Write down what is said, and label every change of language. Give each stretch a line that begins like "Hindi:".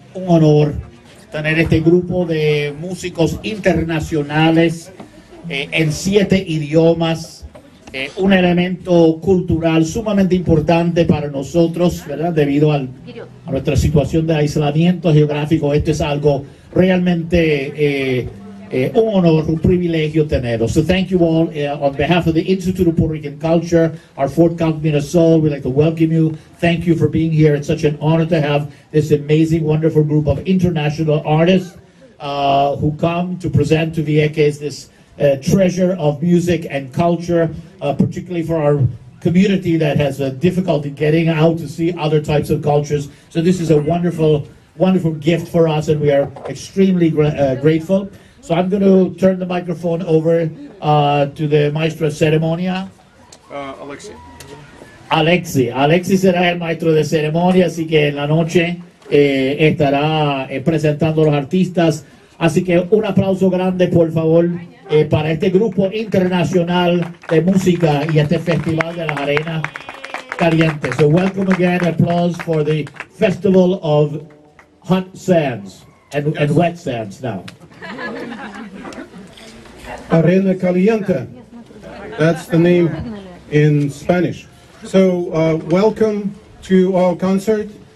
Spanish: Un honor tener este grupo de músicos internacionales en siete idiomas, un elemento cultural sumamente importante para nosotros, ¿verdad? Debido a nuestra situación de aislamiento geográfico, esto es algo realmente un honor, un privilegio tenerlo.
English: So thank you all on behalf of the Institute of Puerto Rican Culture, our Fort Count Mirasol. We'd like to welcome you. Thank you for being here. It's such an honor to have this amazing, wonderful group of international artists who come to present to Vieques this treasure of music and culture, particularly for our community that has a difficulty getting out to see other types of cultures. So this is a wonderful, wonderful gift for us, and we are extremely grateful. So I'm going to turn the microphone over to the
Spanish: maestro de ceremonia.
English: Alexi.
Spanish: Alexi será el maestro de ceremonia, así que en la noche estará presentando los artistas. Así que un aplauso grande, por favor, para este grupo internacional de música y este Festival de las Arenas Calientes.
English: So welcome again, applause for the Festival of Hot Sands and, yes, and Wet Sands now. Arena Caliente, that's the name in Spanish. So welcome to our concert.